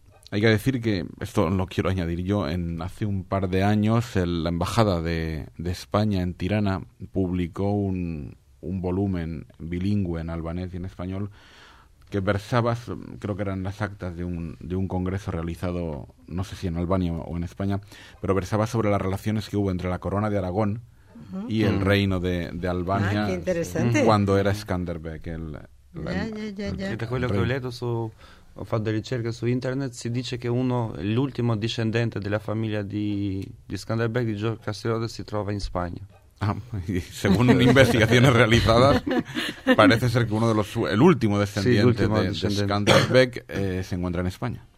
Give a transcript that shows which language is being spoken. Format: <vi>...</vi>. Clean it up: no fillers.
<es>Hay que decir que, esto lo quiero añadir yo, hace un par de años la embajada de España en Tirana publicó un volumen bilingüe en albanés y en español que versaba, creo que eran las actas de un congreso realizado, no sé si en Albania o en España, pero versaba sobre las relaciones que hubo entre la corona de Aragón uh-huh. y el reino de Albania cuando era Skanderbeg</es> <it>da quello che ho letto ho fatto ricerche su internet, si dice che l'ultimo discendente della famiglia di Skanderbeg, di Giorgio Castelrode, si trova in Spagna.</it> <es>Según investigaciones realizadas, parece ser que el último descendiente, sí, último descendente de Skanderbeg se encuentra en España.</es>